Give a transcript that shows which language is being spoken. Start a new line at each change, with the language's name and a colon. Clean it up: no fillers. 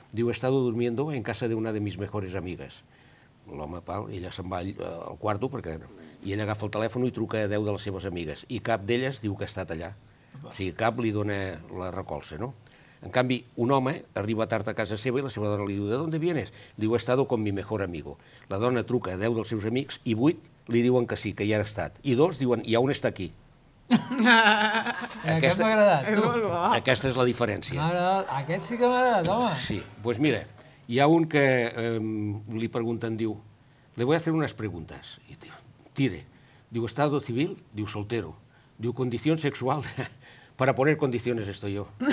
Catalan: Diu,
Spanish: he estado durmiendo en casa de una de mis mejores amigas.
Catalan: L'home, pal, ella se'n va al quarto, perquè... I ella agafa el telèfon i truca a 10 de les seves amigues, i cap d'elles diu que ha estat allà. O sigui, cap li dona la recolza, no? En canvi, un home arriba tard a casa seva i la seva dona li diu,
Spanish: ¿de dónde vienes?
Catalan: Diu,
Spanish: he estado con mi mejor amigo.
Catalan: La dona truca a 10 dels seus amics i 8 li diuen que sí, que hi ha estat. I 2 diuen, ja on està aquí? Aquest m'ha agradat, tu. Aquesta és la diferència. Aquest sí que m'ha agradat, home. Sí, doncs mira, hi ha un que li pregunten, diu,
Spanish: le voy a hacer unas preguntas.
Catalan: I diu, tire. Diu,
Spanish: estado civil?
Catalan: Diu,
Spanish: soltero.
Catalan: Diu,
Spanish: condición sexual? Para poner condiciones estoy yo.